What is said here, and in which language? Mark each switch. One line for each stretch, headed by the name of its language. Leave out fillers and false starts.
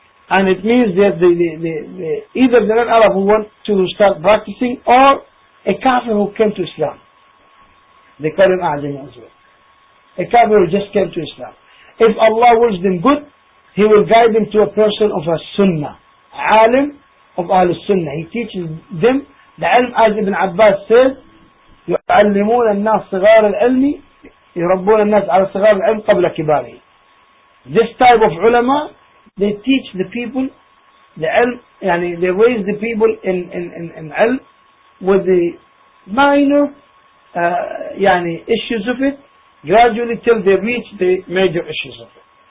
English: And it means that the either the non-Arab who want to start practicing or a kafir who came to Islam. They call him A'jami as well. A kafir who just came to Islam. If Allah wills them good, He will guide them to a person of a sunnah. Alim of al-sunnah. He teaches them the ilm, as Ibn Abbas says,
Arabic: يُعَلِّمُونَ النَّاسِ صِغَارَ الْعِلْمِ يُرَبُّونَ النَّاسِ عَلَى صِغَارَ الْعِلْمِ قَبْلَ كِبَارِهِ.
English: This type of ulama, they teach the people the ilm, yani they raise the people in ilm with the minor issues of it gradually till they reach the major issues of it.